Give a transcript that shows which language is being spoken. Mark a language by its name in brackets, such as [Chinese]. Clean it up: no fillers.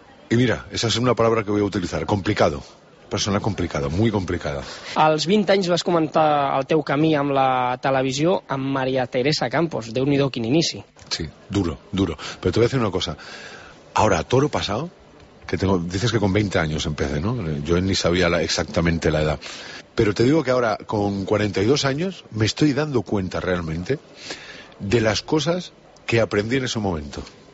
[Spanish] Y mira, esa es una palabra que voy a utilizar, complicado, persona complicada, muy complicada. [Catalan] Als 20 anys vas comentar el teu camí amb la televisió amb María Teresa Campos, déu-n'hi-do quin inici. [Spanish] Sí, duro, duro, pero te voy a decir una cosa, ahora, toro pasado, que tengo, dices que con 20 años empecé, ¿no? Yo ni sabía exactamente la edad, pero te digo que ahora, con 42 años, me estoy dando cuenta realmente de las cosas que aprendí en ese momento.